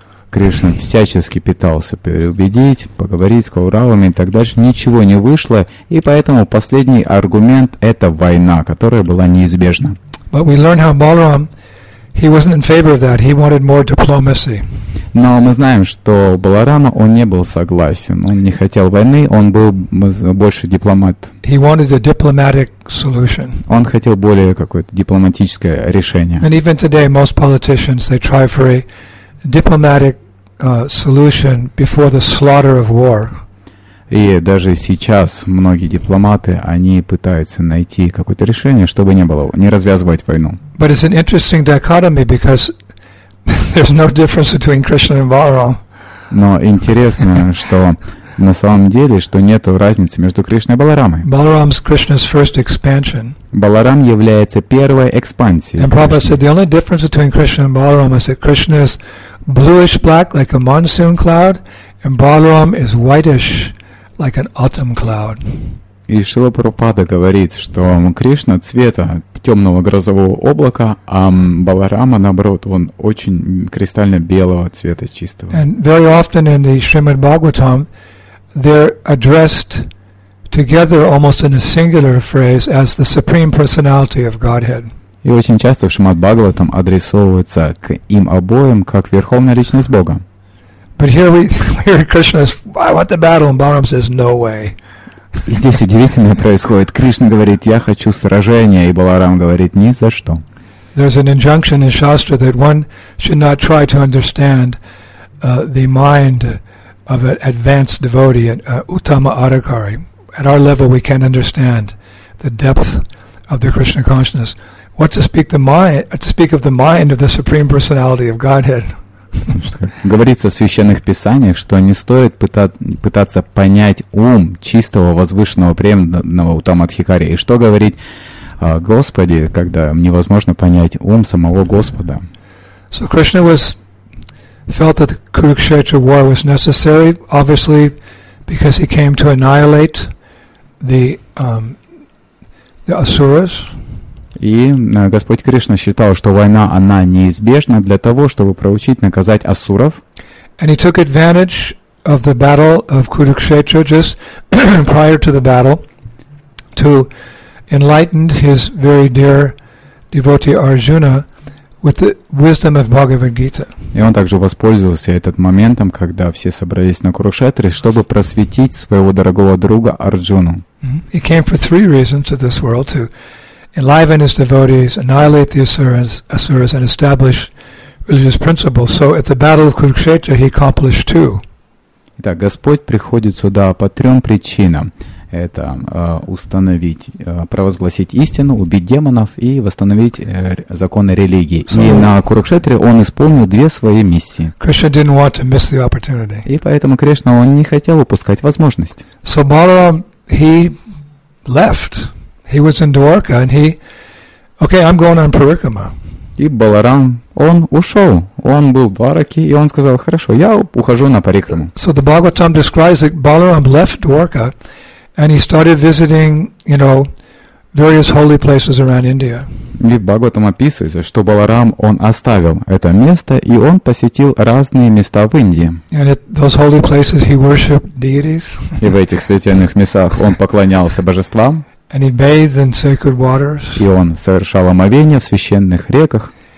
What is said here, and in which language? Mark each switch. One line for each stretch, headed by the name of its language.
Russian: Krishna всячески пытался переубедить, поговорить с Кауравами, и так дальше ничего не вышло, и поэтому последний аргумент — это война, которая была неизбежна.
English: But we learn how Balaram, he wasn't in favor of that. He wanted more diplomacy.
Russian: Но мы знаем, что Баларама, он не был согласен. Он не хотел войны, он был больше дипломат.
English: He wanted a diplomatic solution.
Russian: Он хотел более какое-то дипломатическое решение.
English: And even today, most politicians, they try for a diplomatic solution before the slaughter of war.
Russian: И даже сейчас многие дипломаты, они пытаются найти какое-то решение, чтобы не было, не развязывать войну.
English: But it's an interesting dichotomy because there's no difference between Krishna and Balaram.
Russian: Но интересно, что на самом деле, что нету разницы между Кришной и Баларамой.
English: Balaram's Krishna's first expansion.
Russian: Баларам является первой экспансией.
English: And Prabhupada said the only difference between Krishna and Balaram is that Krishna is bluish black like a monsoon cloud, and Balaram is whitish like an autumn cloud.
Russian: И Шрила Прабхупада говорит, что Кришна цвета темного грозового облака, а Баларама, наоборот, он очень кристально белого цвета, чистого.
English: And very often in the Srimad Bhagavatam, they're addressed together almost in a singular phrase as the Supreme Personality of Godhead.
Russian: И очень часто в Шримад Бхагаватам адресовывается к им обоим как Верховная Личность Бога.
English: But here we hear Krishna says, I want the battle, and Balaram says, no way.
Russian: И здесь удивительное происходит. Кришна говорит, я хочу сражения, и Баларам говорит, ни за что.
English: There's an injunction in Shastra that one should not try to understand the mind of an advanced devotee, an uttama adhikari. At our level, we can't understand the depth of the Krishna consciousness. What to speak the mind? To speak of the mind of the Supreme Personality of Godhead.
Russian: Говорится в священных писаниях, что не стоит пытаться понять ум чистого возвышенного преданного Уттама Адхикари. И что говорить о Господе, когда невозможно понять ум самого Господа?
English: So Krishna was felt that the Kurukshetra war was necessary, obviously, because he came to annihilate the asuras.
Russian: И Господь Кришна считал, что война, она неизбежна для того, чтобы проучить, наказать асуров.
English: And he took advantage of the battle of Kurukshetra just prior to the battle to enlighten his very dear devotee Arjuna with the wisdom of Bhagavad Gita.
Russian: И он также воспользовался этот моментом, когда все собрались на Курукшетре, чтобы просветить своего дорогого друга Арджуну.
English: He came for three reasons to this world, to enliven his devotees, annihilate the asuras, and establish religious principles. So at the battle of Kurukshetra, he accomplished two.
Russian: Итак, Господь приходит сюда по трем причинам. Это установить, провозгласить истину, убить демонов и восстановить законы религии. So, и на Курукшетре он исполнил две свои миссии.
English: Krishna didn't want to miss the opportunity.
Russian: И поэтому Кришна, он не хотел упускать возможность.
English: So Balaram, he left. He was in Dwarka, and he Okay, I'm going on parикрама.
Russian: И Баларам, он ушел. Он был в Двараке, и он сказал, хорошо, я ухожу на парикраму.
English: So the Bhagavatam describes that Balaram left Dwarka, and he started visiting, you know, various holy places around India.
Russian: И Бхагаватам описывается, что Баларам, он оставил это место, и он посетил разные места в Индии.
English: And at those holy places he worshipped deities.
Russian: И в этих святых местах он поклонялся божествам.
English: And he bathed in sacred waters.
Russian: И он совершал омовение в священных реках.